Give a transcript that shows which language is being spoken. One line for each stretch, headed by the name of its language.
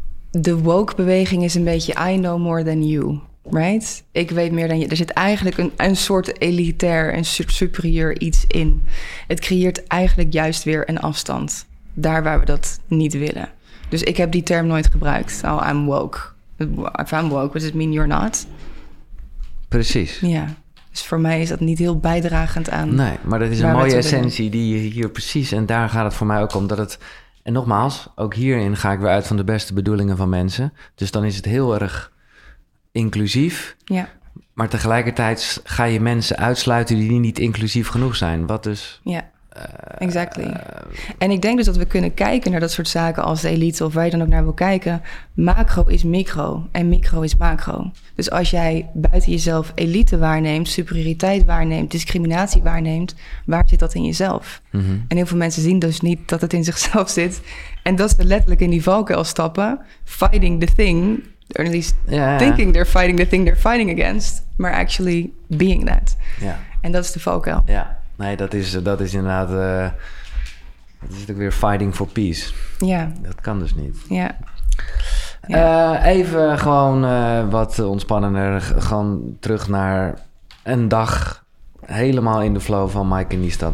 Dutch: De woke beweging is een beetje
English: I know more than you. Right?
Dutch: Ik weet meer dan je. Er zit eigenlijk een soort elitair en superieur iets in. Het creëert eigenlijk juist weer een afstand. Daar waar we dat niet willen. Dus ik heb die term nooit gebruikt.
English: Oh, I'm woke. If I'm woke, what does it mean you're not?
Dutch: Precies. Ja. Dus voor mij is dat niet heel bijdragend aan. Nee, maar dat is een mooie essentie die je hier precies. En daar gaat het voor mij ook om. En nogmaals, ook hierin ga ik weer uit van de beste bedoelingen van mensen. Dus dan is het heel erg inclusief, ja. Maar tegelijkertijd ga je mensen uitsluiten die niet inclusief genoeg zijn. Wat dus ja.
English: Exactly.
Dutch: En ik denk dus dat we kunnen kijken naar dat soort zaken als de elite of waar je dan ook naar wil kijken. Macro is micro en micro is macro. Dus als jij buiten jezelf elite waarneemt, superioriteit waarneemt, discriminatie waarneemt, waar zit dat in jezelf? Mm-hmm. En heel veel mensen zien dus niet dat het in zichzelf zit. En dat ze letterlijk in die valkuil stappen.
English: Fighting the thing, or at least thinking they're fighting the thing they're fighting against, maar actually being that. Yeah.
Dutch: En dat is de valkuil. Ja.
English: Yeah.
Dutch: Nee, dat is inderdaad... dat is natuurlijk weer
English: fighting for peace.
Dutch: Ja. Dat kan dus niet. Ja. Even gewoon wat ontspannender. Gewoon terug naar een dag helemaal in de flow van Maaike Niestad.